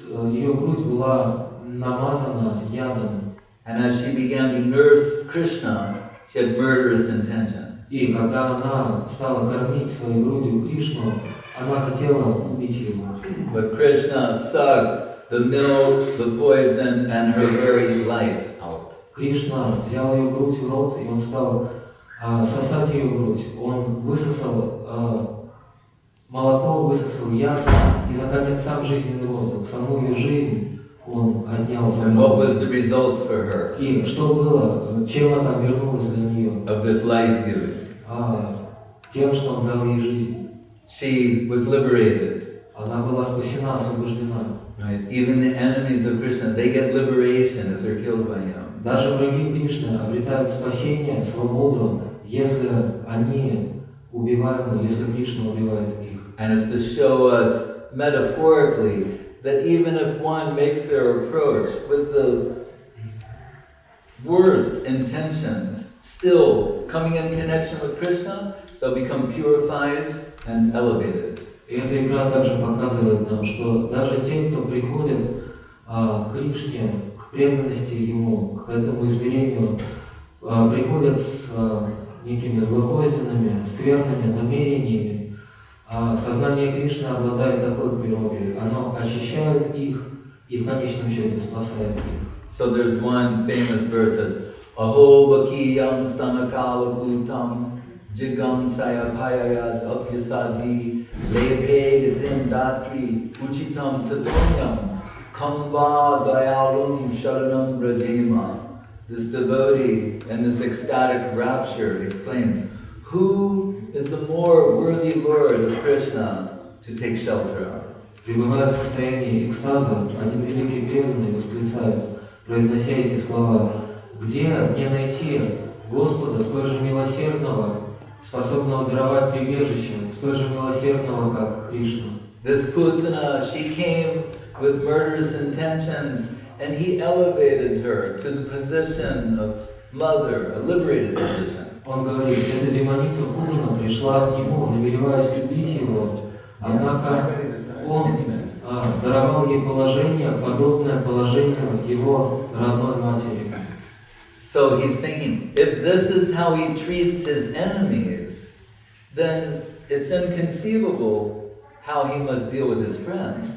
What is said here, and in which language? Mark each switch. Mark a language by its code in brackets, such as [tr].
[ru] Ее грудь была намазана ядом. [en] And as she began to nurse Krishna, she had murderous intention. [ru] И когда она стала кормить своей грудью Кришну, она хотела убить его. [en] But Krishna sucked the milk, the poison, and her very life out. [ru] Кришна взял ее грудь в рот, и он стал сосать ее грудь. Он высосал молоко, высосал яд, и наконец сам жизненный воздух, саму ее жизнь. [en] And what was the result for her? [ru] И что было, чем это обернулось для нее? [en] Of this life giving. [ru] Тем, что он дал ей жизнь. [en] She was liberated. [ru] Она была спасена, освобождена. [en] Right. Even the enemies of Krishna, they get liberation if they're killed by him. [ru] Даже враги Кришны обретают спасение, свободу, если они убиваемы, если Кришна убивает их. [en] And it's to show us metaphorically that even if one makes their approach with the worst intentions, still coming in connection with Krishna, they'll become purified and elevated. [ru] И эта игра также показывает нам, что даже те, кто приходит к Кришне, к преданности Ему, к этому измерению, приходят с некими злокозненными, скверными намерениями, сознание Кришны обладает такой природой. Оно очищает их и в конечном счете спасает их. [en] So there's one famous verse says, [sa] Aho bakiyam stanakala bhutam jigam sayabhayayad apyasadhi lebhe gatim datri uchitam tatonyam kamba dayalum sharanam rajema. [en] This devotee in this ecstatic rapture explains, who is a more worthy lord of Krishna to take shelter of? [ru] Пребывая в состоянии экстаза, один великий преданный восклицает, произнося эти слова, где мне найти Господа столь же милосердного, способного даровать прибежище, столь же милосердного, как Кришна? [en] This Putana, she came with murderous intentions, and he elevated her to the position of mother, a liberated position. [ru] Он говорит, эта демоница Путана пришла к нему, намереваясь убить его, однако он даровал ей положение, подобное положению его родной матери. [en] So he's thinking, if this is how he treats his enemies, then it's inconceivable how he must deal with his friends.